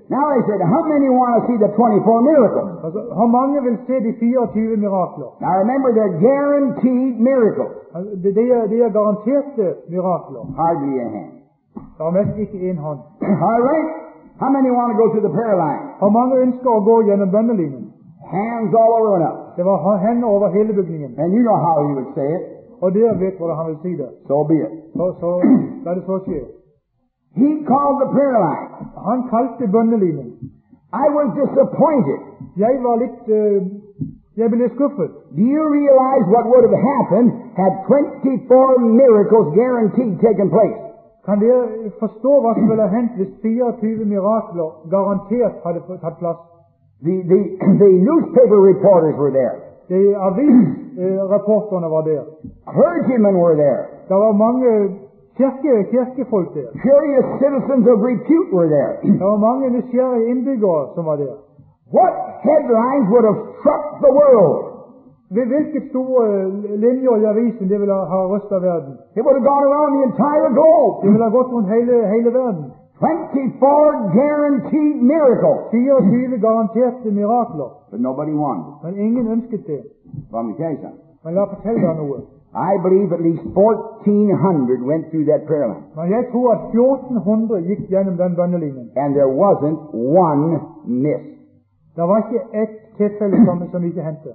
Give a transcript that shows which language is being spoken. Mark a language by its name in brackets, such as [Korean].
[English] Now he said, "How many want to see the 24 miracles?" [Norwegian] Hvor mange vil se de 24 mirakler? [English] Now remember, they're guaranteed miracles. [Norwegian] De er garanterte mirakler. [English] Hardly a hand. [Norwegian] Så mest ikke en hånd. [English] All right. How many want to go through the prayer line? [Norwegian] Hvor mange ønsker å gå gjennom bønnelinjen? [English] Hands all over and up. [Norwegian] Det var hender over hele bygningen. [English] And you know how he would say it. [Norwegian] Og dere vet hvordan han vil si det. [English] So be it. [Norwegian] Så la det så skje. [English] He called the prayer line. [Norwegian] Han kalte bønnelinjen. [English] I was disappointed. [Norwegian] Jeg var litt jeg ble skuffet. [English] Do you realize what would have happened had 24 miracles guaranteed taken place? [Norwegian] Kan dere forstå hva som ville hendt hvis 24 mirakler garantert hadde tatt plass? [English] The newspaper reporters were there. [Norwegian] De avisrapporterne var der. [English] Clergymen were there. [Norwegian] Det var mange kirkefolk der. [English] Curious citizens of repute were there. [Norwegian] Det var mange nysgjerrige innbyggere som var der. [English] What headlines would have struck the world? [Norwegian] Ved hvilke store linjer i avisen det ville ha rystet verden? [English] It would have gone around the entire globe. [Norwegian] Det ville ha gått rundt hele verden. [English] 24 guaranteed miracles. [Norwegian] 24 garanterte mirakler. [English] But nobody wanted. [Norwegian] Men ingen ønsket det. [English] Let me tell you something. [Norwegian] Men la fortelle deg noe. [English] I believe at least 1400 went through that prayer line. [Norwegian] Men jeg tror at 1400 gikk gjennom den bønnelinjen. [English] And there wasn't one miss. [Norwegian] Det var ikke ett tilfelle som ikke hendte.